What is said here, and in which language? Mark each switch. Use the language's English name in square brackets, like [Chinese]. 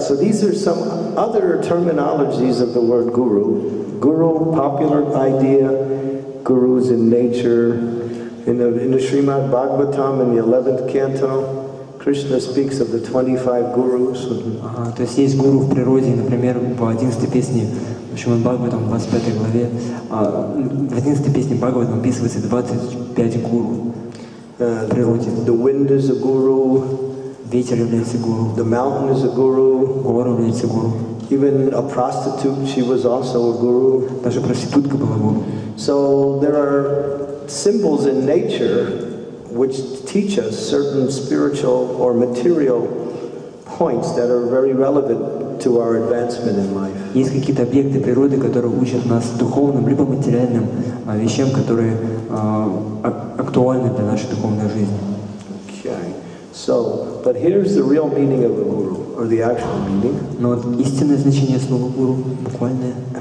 [English] So these are some other terminologies of the word guru. Guru, popular idea. Gurus in nature. In the Srimad Bhagavatam, in the 11th canto, Krishna speaks of the 25 gurus. [Russian] То есть есть гуру в природе, например, по 11-й песне. В общем, Бхагаватам в 25 главе, в 11 песне Бхагаватам описывается 25 гуру в природе. [English] The wind is a guru. [Russian] Ветер является гуру. [English] The mountain is a guru. [Russian] Гора является гуру. [English] Even a prostitute, she was also a guru. [Russian] Даже проститутка была гуру. [English] So there are symbols in nature which teach us certain spiritual or material points that are very relevant to our advancement in life. [Russian] Есть какие-то объекты природы, которые учат нас духовным либо материальным вещам, которые актуальны для нашей духовной жизни. [English] Okay. So, but here's the real meaning of a guru, or the actual meaning. [Russian] Но вот истинное значение слова гуру буквальное.